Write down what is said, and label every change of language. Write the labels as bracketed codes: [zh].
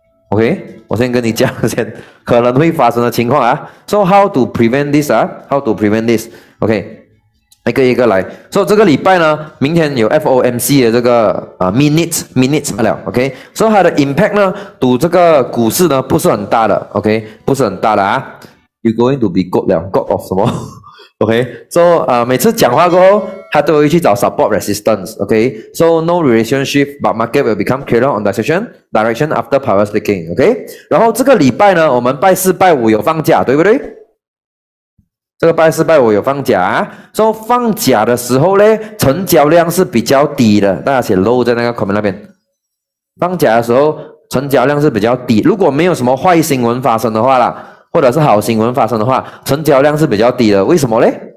[zh] OK， 我先跟你讲先，可能会发生的情况啊。 [en] So how to prevent this [zh] 啊？ OK，一个一个来。所、so, 以这个礼拜呢，明天有 FOMC 的这个minutes 罢了 ，OK。所以它的 impact 呢，赌这个股市呢不是很大的 ，OK， 不是很大的啊。 [en] You going to be god 了 ，god of 什么 ？OK。 [zh] 所以啊，每次讲话过后，他都会去找 support resistance， OK。 [en] So no relationship， but market will become clear on direction after power speaking， OK。 [zh] 然后这个礼拜呢，我们拜四拜五有放假，对不对？这个拜四拜五有放假，说、so, 放假的时候呢，成交量是比较低的，大家写 low 在那个 comment 那边。放假的时候成交量是比较低，如果没有什么坏新闻发生的话啦，或者是好新闻发生的话，成交量是比较低的。为什么呢？